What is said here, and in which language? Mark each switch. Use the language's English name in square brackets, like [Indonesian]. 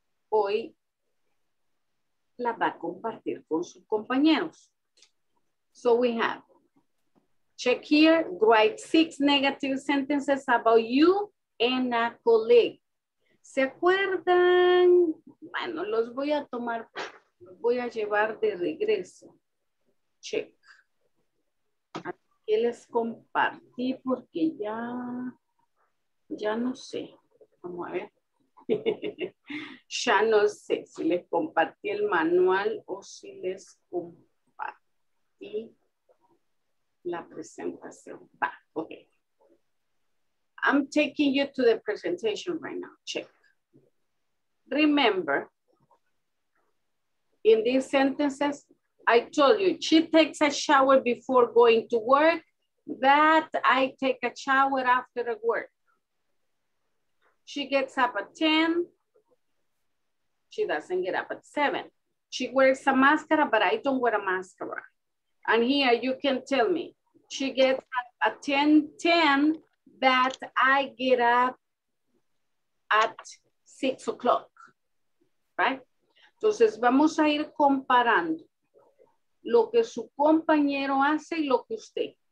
[Spanish] Hoy la va a compartir con sus compañeros. [English] So we have, check here, write 6 negative sentences about you and a colleague. [Spanish] ¿Se acuerdan? Bueno, los voy a tomar. Los voy a llevar de regreso. Check. Aquí les compartí porque ya no sé. Vamos a ver. Ya no sé si les compartí el manual o si les compartí la presentación. Va, ok. [English] I'm taking you to the presentation right now. Check. Remember, in these sentences, I told you, she takes a shower before going to work. that I take a shower after the work. She gets up at 10. She doesn't get up at 7. She wears a mascara, but I don't wear a mascara. And here you can tell me, she gets up at 10:10, but I get up at 6 o'clock, right? [Spanish] Entonces vamos a ir comparando lo que su compañero hace y lo que usted.